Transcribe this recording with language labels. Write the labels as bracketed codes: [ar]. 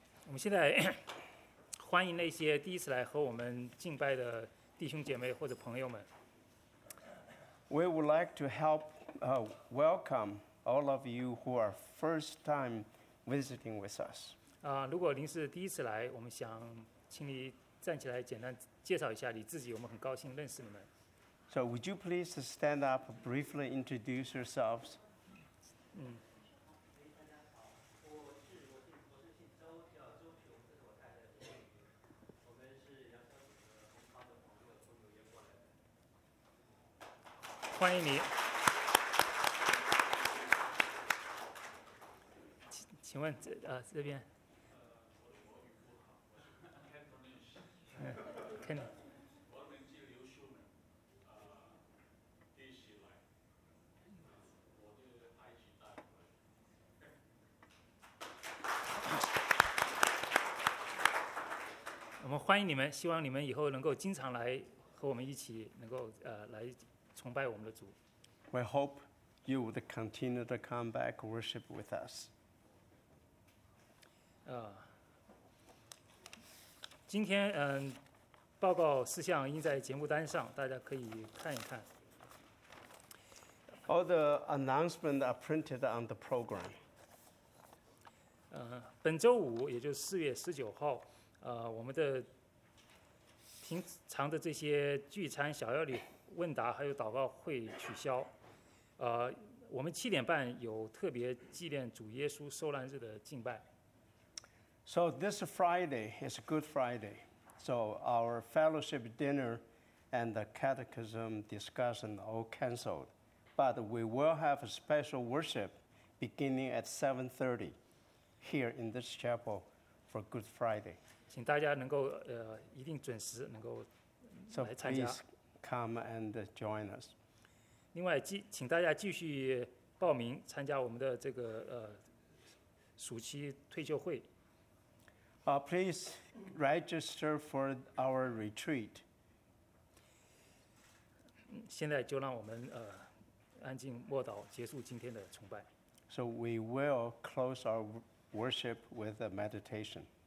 [zh] We 现在欢迎那些第一次来和我们敬拜的弟兄姐妹或者朋友们。 [en] We would like to help welcome all of you who are first time visiting with us. [zh] 如果您是第一次来，我们想请你站起来简单介绍一下你自己。我们很高兴认识你们。 [en] So would you please stand up, briefly introduce yourselves? Welcome you. [zh] 请问这啊这边。我们欢迎你们，希望你们以后能够经常来和我们一起，能够来崇拜我们的主。 [en] We hope you would continue to come back worship with us. [zh] 今天报告事项印在节目单上，大家可以看一看。 [en] All the announcements are printed on the program. [zh] 本周五，也就是4月19号。我们的平常的这些聚餐、小药理问答还有祷告会取消。我们7:30有特别纪念主耶稣受难日的敬拜。 [en] So this Friday is Good Friday. So our fellowship dinner and the catechism discussion all canceled. But we will have a special worship beginning at 7:30 here in this chapel for Good Friday. [zh] 请大家能够一定准时能够来参加。 [en] So please come and join us. [zh] 另外，请大家继续报名参加我们的这个暑期退休会。 [en] Please register for our retreat. [zh] 现在就让我们安静默祷，结束今天的崇拜。 [en] So we will close our worship with a meditation.